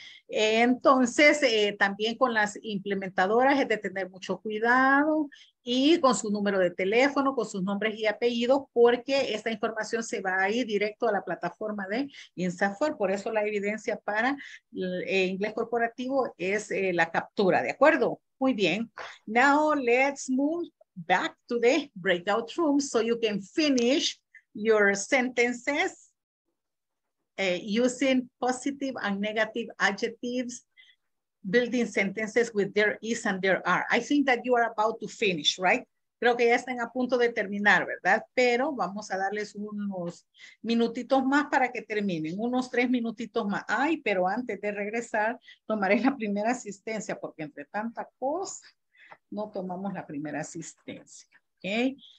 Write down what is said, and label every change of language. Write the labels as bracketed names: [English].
[Spanish] Entonces, también con las implementadoras es de tener mucho cuidado y con su número de teléfono, con sus nombres y apellidos, porque esta información se va a ir directo a la plataforma de InstaHorp. Por eso la evidencia para el inglés corporativo es la captura, ¿de acuerdo? Muy bien. [English] Now let's move back to the breakout room so you can finish your sentences. Using positive and negative adjectives, building sentences with there is and there are. I think that you are about to finish, right? [Spanish] Creo que ya están a punto de terminar, ¿verdad? Pero vamos a darles unos minutitos más para que terminen, unos 3 minutitos más. Ay, pero antes de regresar, tomaré la primera asistencia, porque entre tanta cosa, no tomamos la primera asistencia, ¿ok?